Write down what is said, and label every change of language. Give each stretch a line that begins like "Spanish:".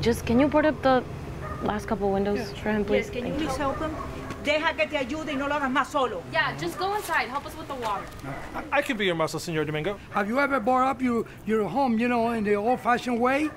English: Just, can you board up the last couple windows yeah. for him, please? Yes, can you please help him?
Spanish: Deja que te ayude y no lo hagas más solo.
English: Yeah, just go inside. Help us with the water. I can be your muscle, Señor Domingo. Have you ever bought up your home, you know, in the old-fashioned way?